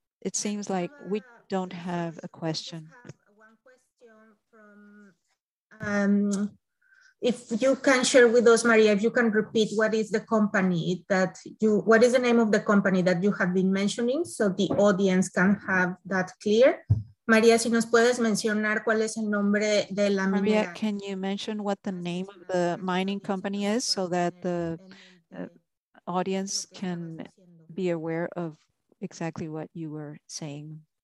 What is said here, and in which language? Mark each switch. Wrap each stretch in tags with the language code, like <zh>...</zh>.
<en>It seems like we don't have a question. One question from, if you can share with us, Maria, if you can repeat, what is the name of the company that you have been mentioning, so the audience can have that clear?</en> <es>Maria, si nos puedes mencionar cuál es el nombre de la minera.</es> <en>Maria, can you mention what the name of the mining company is so that the audience can be aware of exactly what you were saying?</en>